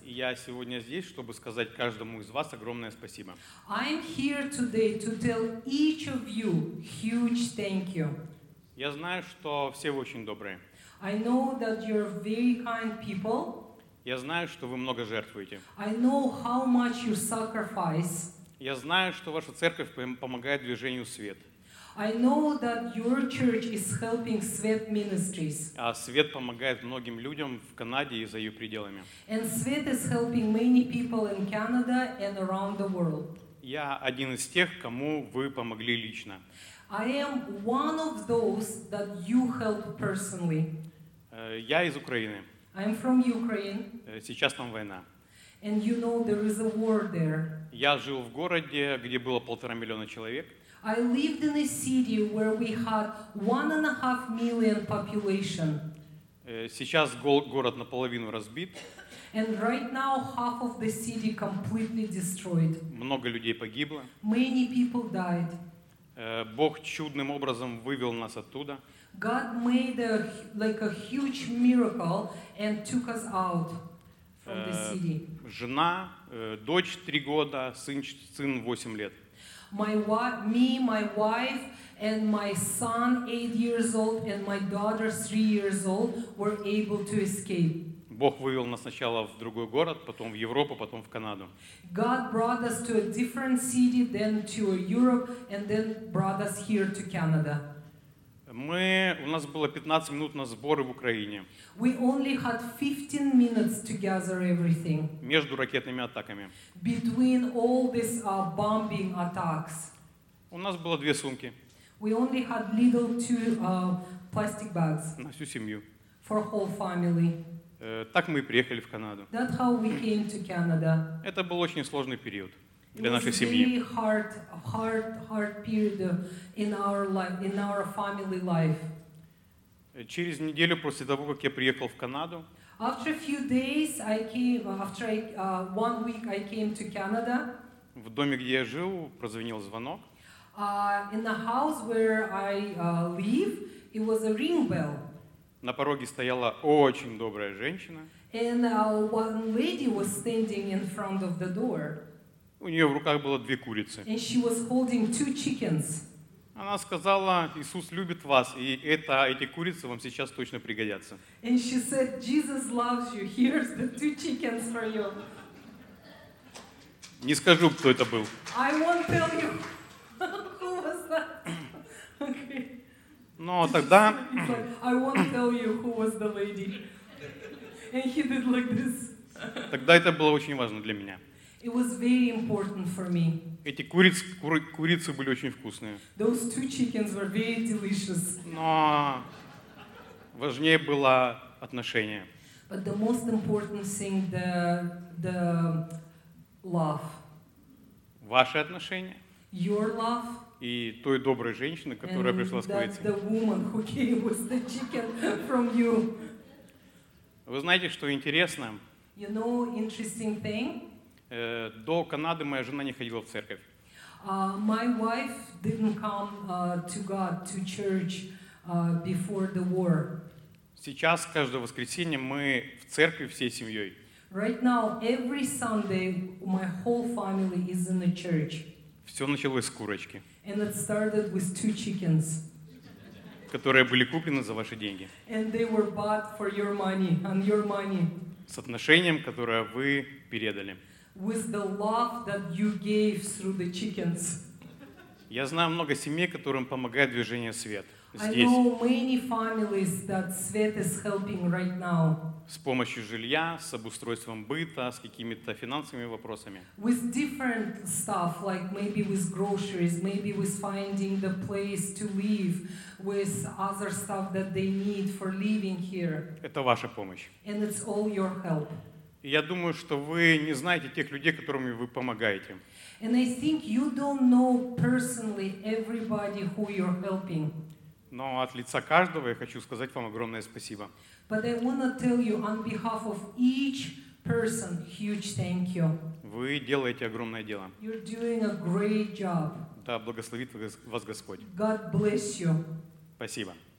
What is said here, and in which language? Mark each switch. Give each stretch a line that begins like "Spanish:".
Russian: Я сегодня здесь, чтобы сказать каждому из вас огромное спасибо.
English: I'm here today to tell each of you huge thank you.
Russian: Я знаю, что все вы очень добрые.
English: I know that you're very kind people.
Russian: Я знаю, что вы много жертвуете.
English: I know how much you sacrifice.
Russian: Я знаю, что ваша церковь помогает движению свет.
English: I know that your church is helping Svet ministries.
Russian: А Свет помогает многим людям в Канаде и за ее пределами.
English: And Svet is helping many people in Canada and around the world.
Russian: Я один из тех, кому вы помогли лично.
English: I am one of those that you helped personally.
Russian: Я из Украины.
English: I'm from Ukraine.
Russian: Сейчас там война.
English: And you know there is a war there.
Russian: Я жил в городе, где было 1.5 миллиона человек.
English: I lived in a city where we had 1.5 million population.
Russian: Сейчас город наполовину разбит.
English: And right now half of the city completely destroyed.
Russian: Много людей погибло.
English: Many people died.
Russian: Бог чудным образом вывел нас оттуда.
English: God made a like a huge miracle and took us out from the city.
Russian: Жена, дочь 3 года, сын 8 лет.
English: My wife and my son 8 years old and my daughter 3 years old were able to escape.
Russian: Бог вывел нас сначала в другой город, потом в Европу, потом в Канаду.
English: God brought us to a different city, then to Europe, and then brought us here to Canada.
Russian: У нас было 15 минут на сборы в Украине.
English: We only had 15 minutes to gather everything.
Russian: Между ракетными атаками.
English: Between all these bombing attacks.
Russian: У нас было 2 сумки.
English: We only had little 2 plastic bags.
Russian: На всю семью.
English: For whole family.
Russian: Так мы и приехали в Канаду.
English: That's how we came to Canada.
Russian: Это был очень сложный период.
English: It was a very hard period in our life, in our family life.
Russian: Через неделю после того, как я приехал в Канаду,
English: after a few days, I came. After one week, I came to Canada.
Russian: В доме, где я жил, прозвенел звонок.
English: In the house where I live, it was a ring bell.
Russian: На пороге стояла очень добрая женщина.
English: And one lady was standing in front of the door.
Russian: У нее в руках было 2 курицы.
English: And she was holding 2 chickens.
Russian: Она сказала: «Иисус любит вас, и эти курицы вам сейчас точно пригодятся».
English: And she said, Jesus loves you. Here's the 2 chickens for you.
Russian: Не скажу, кто это был.
English: I won't tell you who was that.
Russian: Но тогда.
English: I won't tell you who was the lady. And he did like this.
Russian: Тогда это было очень важно для меня.
English: It was very important for me.
Russian: Эти курицы были очень вкусные.
English: Those 2 chickens were very delicious.
Russian: Но важнее было отношение.
English: But the most important thing, the love.
Russian: Ваши отношения.
English: Your love.
Russian: И той доброй женщины, которая пришла с курицей.
English: And the woman who came with the chicken from you.
Russian: Вы знаете, что интересно?
English: You know, interesting thing.
Russian: До Канады моя жена не ходила в церковь.
English: My wife didn't come to God, to church before the war.
Russian: Сейчас каждое воскресенье мы в церкви всей семьей.
English: Right now every Sunday my whole family is in the church.
Russian: Все началось с курочки.
English: And it started with 2 chickens.
Russian: Которые были куплены за ваши деньги.
English: And they were bought for your money, on your money.
Russian: С отношением, которое вы передали.
English: With the love that you gave through the chickens.
Russian: Я знаю много семей, которым помогает движение Свет.
English: I know many families that Svet is helping right now.
Russian: С помощью жилья, с обустройством быта, с какими-то финансовыми вопросами.
English: With different stuff, like maybe with groceries, maybe with finding the place to live, with other stuff that they need for living here.
Russian: Это ваша помощь.
English: And it's all your help.
Russian: Я думаю, что вы не знаете тех людей, которым вы помогаете.
English: And I think you don't know personally everybody who you're helping.
Russian: Но от лица каждого я хочу сказать вам огромное спасибо.
English: But I want to tell you on behalf of each person, huge thank you.
Russian: Вы делаете огромное дело.
English: You're doing a great job.
Russian: Да благословит вас Господь.
English: God bless you.
Russian: Спасибо.